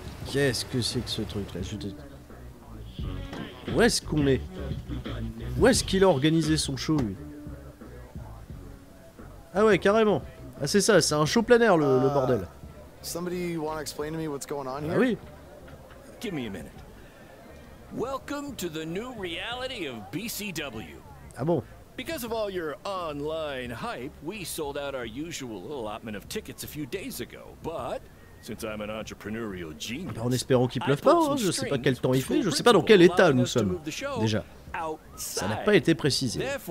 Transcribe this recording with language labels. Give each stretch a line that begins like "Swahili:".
French: Qu'est-ce que c'est que ce truc là? Où est-ce qu'on est? Où est-ce qu'il a organisé son show, lui? Ah ouais, carrément. Ah c'est ça, c'est un show plein air, le bordel.
English: Somebody wanna explain to me what's going on here?
French: Ah oui.
English: Give me a minute. Welcome to the new reality of BCW.
French: Ah bon?
English: Because of all your online hype, we sold out our usual allotment of tickets a few days ago, but... Since I'm an entrepreneurial genius,
French: en espérant qu'il pleuve pas, hein, je sais pas quel temps il fait, je sais pas dans quel état nous sommes, déjà. Ça n'a pas été précisé.